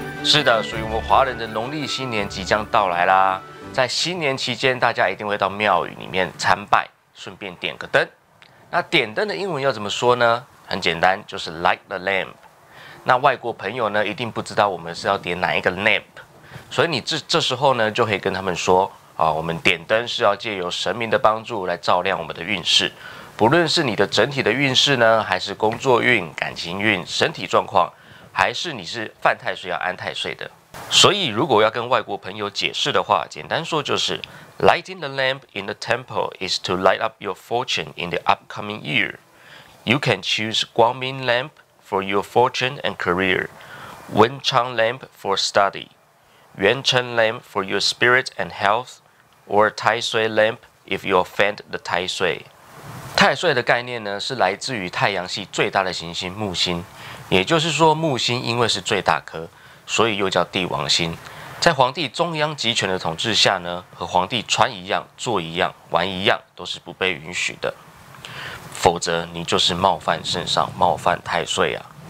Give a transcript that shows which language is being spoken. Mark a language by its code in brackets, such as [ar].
[zh] 是的，属于我们华人的农历新年即将到来啦。在新年期间，大家一定会到庙宇里面参拜，顺便点个灯。那点灯的英文要怎么说呢？很简单，就是 [en] light the lamp。 [zh] 那外国朋友呢，一定不知道我们是要点哪一个 lamp， 所以你这时候呢，就可以跟他们说啊，我们点灯是要借由神明的帮助来照亮我们的运势。不论是你的整体的运势呢，还是工作运、感情运、身体状况，还是你是犯太岁要安太岁的。所以如果要跟外国朋友解释的话，简单说就是 [en] Lighting the lamp in the temple is to light up your fortune in the upcoming year. You can choose Guangming lamp for your fortune and career, Wenchang lamp for study, Yuancheng lamp for your spirit and health, or Taisui lamp if you offend the Taisui. [zh] 太岁的概念呢，是来自于太阳系最大的行星木星，也就是说木星因为是最大颗，所以又叫帝王星。在皇帝中央集权的统治下呢，和皇帝穿一样、坐一样、玩一样都是不被允许的，否则你就是冒犯圣上、冒犯太岁啊。